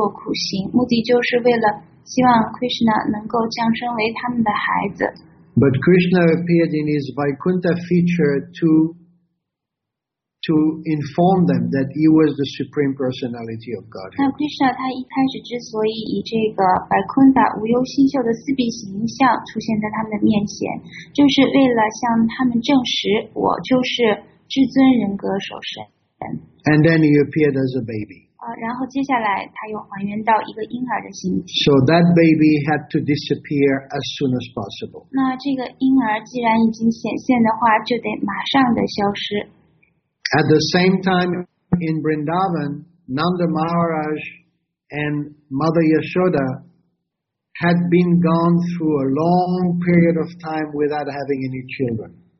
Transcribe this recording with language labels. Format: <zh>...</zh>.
<zh>因为他们两个人呢，在之前的几千年当中都一直在做苦行，目的就是为了希望 Krishna 能够降生为他们的孩子。</zh> <en>But Krishna appeared in his Vaikuntha feature to inform them that he was the Supreme Personality of Godhead.</en> <zh>那 Krishna 他一开始之所以以这个 Vaikuntha 无忧星宿的四臂形象出现在他们的面前，就是为了向他们证实我就是至尊人格所生。</zh> <en>And then he appeared as a baby.</en> <zh>然后接下来他又还原到一个婴儿的形体。</zh> <en>So that baby had to disappear as soon as possible.</en> <zh>那这个婴儿既然已经显现的话，就得马上的消失。</zh> <en>At the same time in Vrindavan, Nanda Maharaj and Mother Yashoda had been gone through a long period of time without having any children.</en>